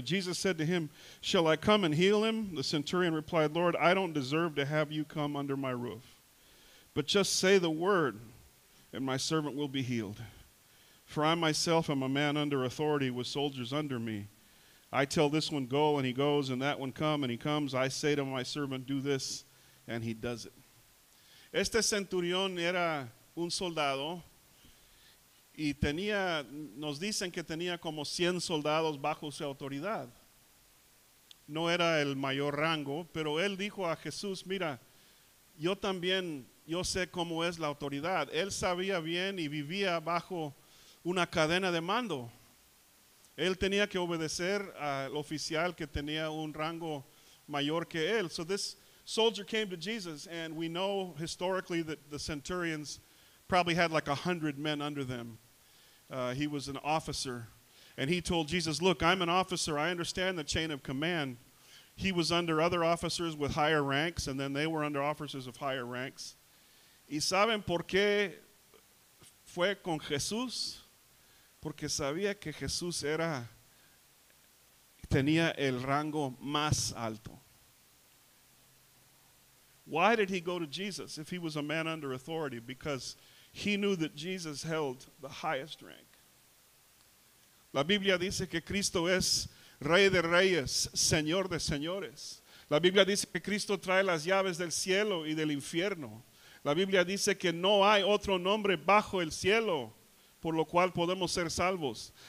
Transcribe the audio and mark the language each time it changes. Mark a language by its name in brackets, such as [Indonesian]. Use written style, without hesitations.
[English] Jesus said to him, shall I come and heal him? The centurion replied, Lord, I don't deserve to have you come under my roof, but just say the word and my servant will be healed. For I myself am a man under authority with soldiers under me. I tell this one, go, and he goes, and that one, come, and he comes. I say to my servant, do this, and he does it. [Spanish] Este centurión era un soldado. Y tenía, nos dicen que tenía como 100 soldados bajo su autoridad. No era el mayor rango, pero él dijo a Jesús, mira, yo también, yo sé cómo es la autoridad. Él sabía bien y vivía bajo una cadena de mando. Él tenía que obedecer al oficial que tenía un rango mayor que él. [English] So this soldier came to Jesus, and we know historically that the centurions probably had like 100 men under them. He was an officer, and he told Jesus, look, I'm an officer. I understand the chain of command. He was under other officers with higher ranks, and then they were under officers of higher ranks. [Spanish] ¿Y saben por qué fue con Jesús? Porque sabía que Jesús era, tenía el rango más alto. [English] Why did he go to Jesus if he was a man under authority? Because he knew that Jesus held the highest rank. [Spanish] La Biblia dice que Cristo es Rey de Reyes, Señor de Señores. La Biblia dice que Cristo trae las llaves del cielo y del infierno. La Biblia dice que no hay otro nombre bajo el cielo por lo cual podemos ser salvos.